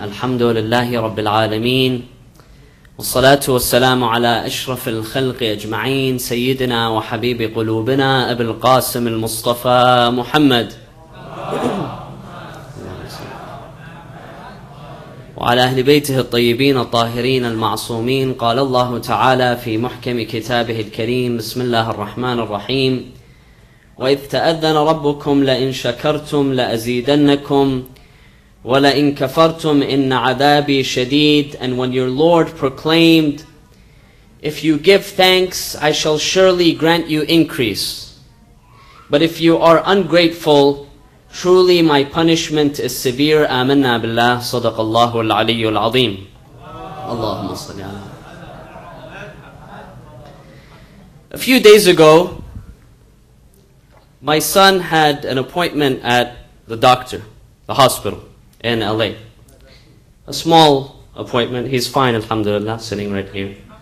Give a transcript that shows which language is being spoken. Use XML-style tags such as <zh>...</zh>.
<ar>الحمد لله رب العالمين، والصلاة والسلام على أشرف الخلق أجمعين، سيدنا وحبيب قلوبنا أبي القاسم المصطفى محمد، وعلى أهل بيته الطيبين الطاهرين المعصومين. قال الله تعالى في محكم كتابه الكريم، بسم الله الرحمن الرحيم: وإذ تأذن ربكم لئن شكرتم لأزيدنكم ولئن كفرتم إن عذابي شديد.</ar> <en>And when your Lord proclaimed, if you give thanks, I shall surely grant you increase. But if you are ungrateful, truly my punishment is severe.</en> <ar>آمنا بالله، صدق الله العلي العظيم. اللهم صل على.</ar> <en>A few days ago, my son had an appointment at the doctor, the hospital in LA. A small appointment. He's fine, alhamdulillah, sitting right here.</en>